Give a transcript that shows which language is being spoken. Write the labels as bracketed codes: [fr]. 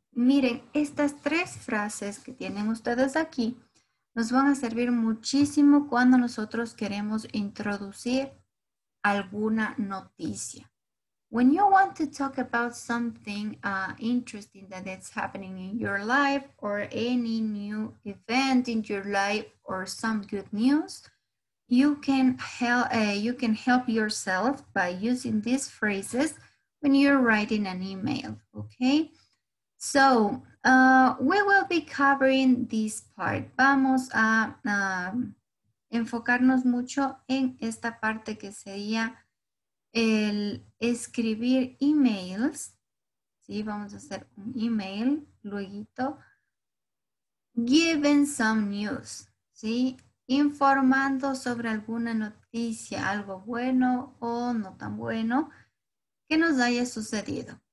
[es] Miren, estas tres frases que tienen ustedes aquí nos van a servir muchísimo cuando nosotros queremos introducir alguna noticia. [en] When you want to talk about something interesting that is happening in your life or any new event in your life or some good news, you can help yourself by using these phrases when you're writing an email, okay? So we will be covering this part. [es] Vamos a enfocarnos mucho en esta parte que sería el escribir emails. Sí, vamos a hacer un email luego. [en] Given some news, [es] sí, informando sobre alguna noticia, algo bueno o no tan bueno que nos haya sucedido.